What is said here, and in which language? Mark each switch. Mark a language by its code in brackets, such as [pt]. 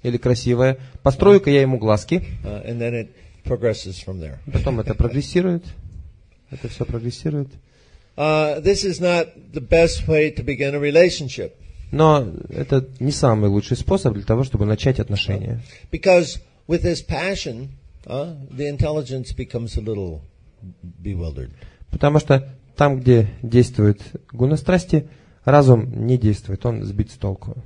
[ru] Или красивая. Построю-ка я ему глазки. [en] And then it progresses from there. [ru] Потом это прогрессирует. Это все прогрессирует. [en] This is not the best way to begin a relationship. [ru] Но это не самый лучший способ для того, чтобы начать отношения. [en] Because with this passion, the intelligence becomes a little bewildered. [ru] Потому что там, где действует гуна страсти, разум не действует, он сбит с толку.